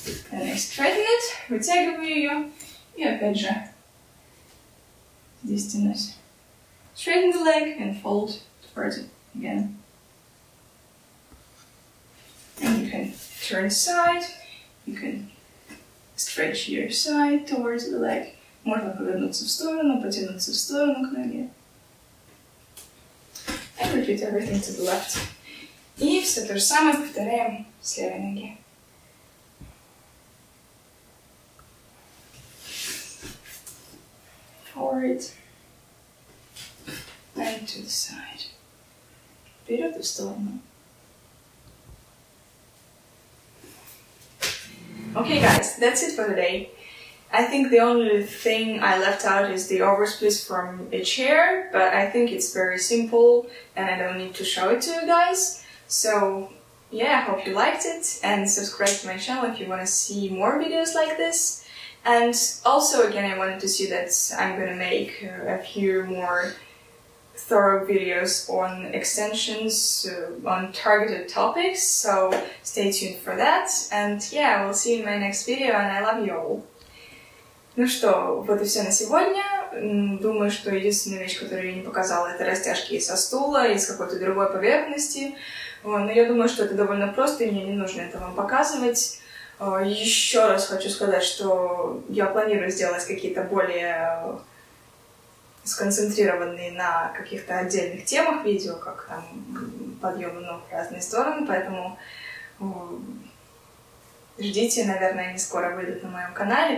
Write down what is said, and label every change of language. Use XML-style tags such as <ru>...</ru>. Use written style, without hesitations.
<en>And I straighten it,</en> <ru>вытягиваю ее. И опять же, здесь тянусь.</ru> <en>Straighten the leg and fold towards it again. And you can turn side, you can stretch your side towards the leg.</en> <ru>Можно повернуться в сторону, потянуться в сторону к ноге.</ru> <en>And repeat everything to the left.</en> <ru>И все то же самое повторяем с левой ноги.</ru> <en>Forward. And to the side.</en> <ru>Вперед в сторону.</ru> <en>Okay guys, that's it for today. I think the only thing I left out is the oversplits from a chair, but I think it's very simple and I don't need to show it to you guys. So yeah, I hope you liked it and subscribe to my channel if you want to see more videos like this. And also again, I wanted to see that I'm gonna make a few more thorough videos on extensions, on targeted topics, so stay tuned for that, and yeah, I will see you in my next video, and I love you all!</en> <ru>Ну что, вот и все на сегодня. Думаю, что единственная вещь, которую я не показала, это растяжки со стула, из какой-то другой поверхности. Но я думаю, что это довольно просто, и мне не нужно это вам показывать. Еще раз хочу сказать, что я планирую сделать какие-то более сконцентрированные на каких-то отдельных темах видео, как там подъемы ног в разные стороны, поэтому ждите, наверное, они скоро выйдут на моем канале.</ru>